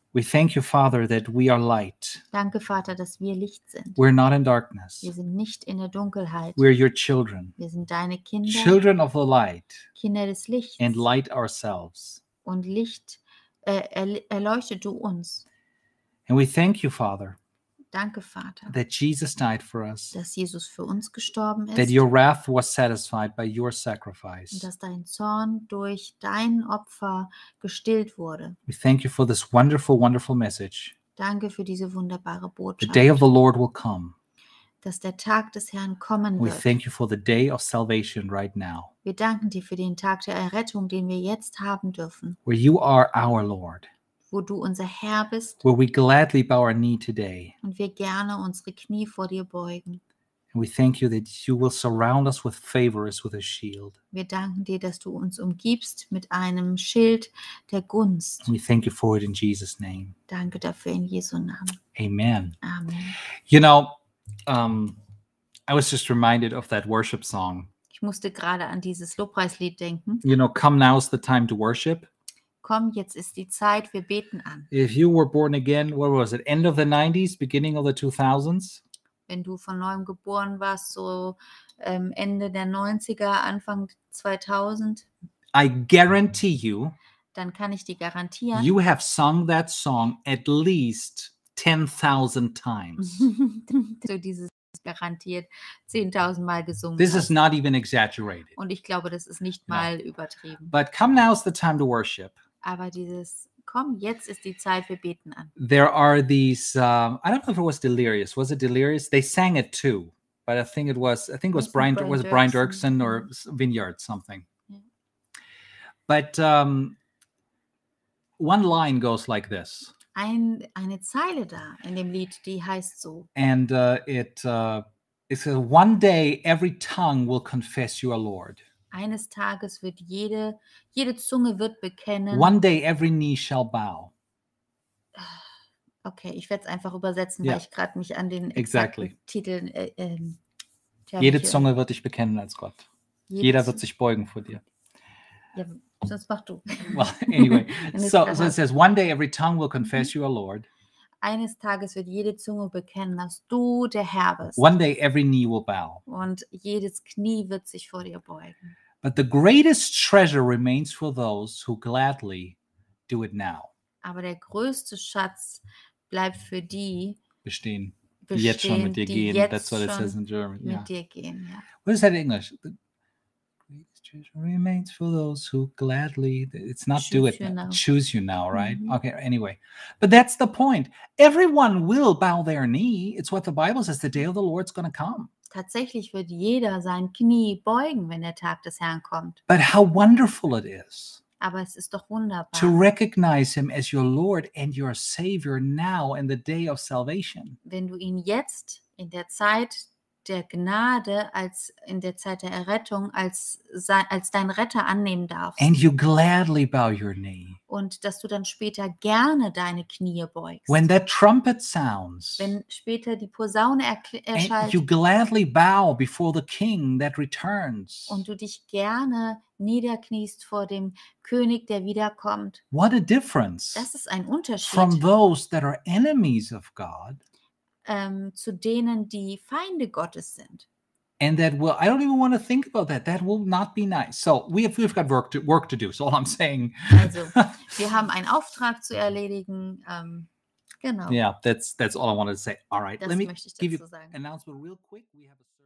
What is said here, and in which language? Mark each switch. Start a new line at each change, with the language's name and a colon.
English: We thank you, Father, that we are light.
German: Danke, Vater, dass wir Licht sind.
English: We're not in darkness.
German: Wir sind nicht in der Dunkelheit.
English: We're your children.
German: Wir sind deine Kinder.
English: Children of the light.
German: Kinder des Lichts.
English: And light ourselves.
German: Und Licht, erleuchtet du uns.
English: And we thank you, Father.
German: Danke, Vater.
English: That Jesus died for us.
German: Dass Jesus für uns gestorben ist.
English: That your wrath was satisfied by your sacrifice.
German: Und dass dein Zorn durch dein Opfer gestillt wurde.
English: We thank you for this wonderful, wonderful message.
German: Danke für diese wunderbare Botschaft.
English: The day of the Lord will come.
German: Dass der Tag des Herrn kommen wird.
English: We thank you for the day of salvation right now.
German: Wir danken dir für den Tag der Errettung, den wir jetzt haben dürfen.
English: Where you are our Lord.
German: Wo du unser Herr bist.
English: Where we gladly bow our knee today.
German: Und wir gerne unsere Knie vor dir beugen.
English: And we thank you that you will surround us with favor as with a shield.
German: Wir danken dir, dass du uns umgibst mit einem Schild der Gunst.
English: And we thank you for it in Jesus' name.
German: Danke dafür in Jesu Namen.
English: Amen.
German: Amen.
English: You know, I was just reminded of that worship song.
German: Ich musste gerade an dieses Lobpreislied denken.
English: You know, come now is the time to worship.
German: Komm, jetzt ist die Zeit, wir beten an.
English: If you were born again, what was it? End of the 90s, beginning of the 2000s?
German: Wenn du von neuem geboren warst, so Ende der 90er, Anfang 2000.
English: I guarantee you.
German: Dann kann ich dir garantieren.
English: You have sung that song at least 10,000 times.
German: So dieses garantiert 10,000 Mal gesungen.
English: This is not even exaggerated.
German: Und ich glaube, das ist nicht mal übertrieben.
English: But come now is the time to worship.
German: Aber dieses, komm, jetzt ist die Zeit, wir beten an.
English: There are these, I don't know if it was Delirious. Was it Delirious? They sang it too. But I think it was Brian Dirksen or Vineyard something. Yeah. But one line goes like this.
German: Eine Zeile da in dem Lied, die heißt so.
English: And it says, one day every tongue will confess you are Lord.
German: Eines Tages wird jede Zunge wird bekennen.
English: One day every knee shall bow.
German: Okay, ich werde es einfach übersetzen, weil ich gerade mich an den Titeln... jede Zunge wird dich bekennen als Gott. Jeder wird sich beugen vor dir. Ja, sonst mach du.
English: Well, anyway, so it says, one day every tongue will confess you are Lord.
German: Eines Tages wird jede Zunge bekennen, dass du der Herr bist.
English: One day every knee will bow.
German: Und jedes Knie wird sich vor dir beugen.
English: But the greatest treasure remains for those who gladly do it now.
German: Aber der größte Schatz bleibt für die bestehen. Die jetzt schon mit dir gehen.
English: That's what it says in German.
German: Mit dir gehen, ja.
English: What is that in English? The greatest treasure remains for those who gladly. It's not choose do it you now. Choose you now, right? Mm-hmm. Okay, anyway. But that's the point. Everyone will bow their knee. It's what the Bible says. The day of the Lord's going to come.
German: Tatsächlich wird jeder sein Knie beugen, wenn der Tag des Herrn kommt.
English: But how wonderful it is.
German: Aber es ist doch wunderbar.
English: To recognize him as your Lord and your Savior now in the day of salvation.
German: Wenn du ihn jetzt in der Zeit der Gnade als in der Zeit der Errettung als dein Retter annehmen darfst.
English: And you gladly bow your knee.
German: Und dass du dann später gerne deine Knie beugst.
English: When that trumpet sounds.
German: Wenn später die Posaune erschallt.
English: You gladly bow before the king that returns.
German: Und du dich gerne niederkniest vor dem König, der wiederkommt.
English: What a difference.
German: Das ist ein Unterschied.
English: From those that are enemies of God.
German: Zu denen, die Feinde Gottes sind.
English: And that will, I don't even want to think about that. That will not be nice. So we've got work to do. So all I'm saying.
German: Also, wir haben einen Auftrag zu erledigen. Genau.
English: Yeah, that's all I wanted to say. All right,
German: das
English: let me give you an announcement real quick. We have a